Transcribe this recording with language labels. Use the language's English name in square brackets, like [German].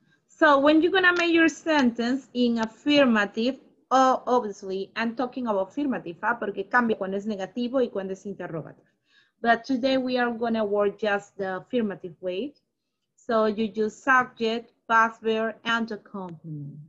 [English] So when you're gonna make your sentence in affirmative, oh, obviously, I'm talking about affirmative, ¿eh? [Spanish] Porque cambia cuando es negativo y cuando es interrogative. [English] But today we are gonna work just the affirmative way. So you use subject, past verb, and the complement.